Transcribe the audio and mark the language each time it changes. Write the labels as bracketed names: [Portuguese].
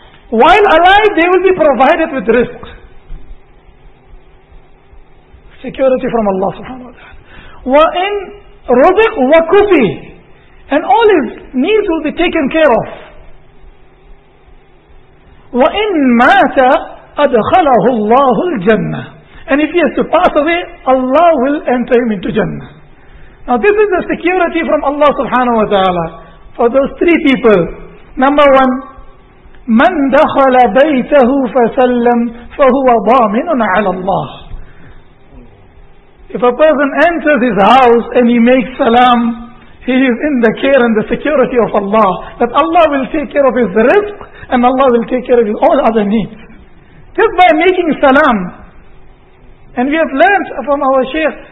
[English] While alive, they will be provided with risk. Security from Allah subhanahu wa ta'ala. [Arabic] وَإِن رُزِق وَكُفِي. [English] And all his needs will be taken care of. [Arabic] وَإِن مَاتَ أدخله الله الجنة. [English] And if he has to pass away, Allah will enter him into Jannah. Now this is the security from Allah subhanahu wa ta'ala for those three people. Number one, [Arabic] من دخل بيته فسلم فهو ضامن على الله. [English] If a person enters his house and he makes salam, he is in the care and the security of Allah, that Allah will take care of his rizq and Allah will take care of his all other needs. Just by making salam. And we have learned from our Shaykh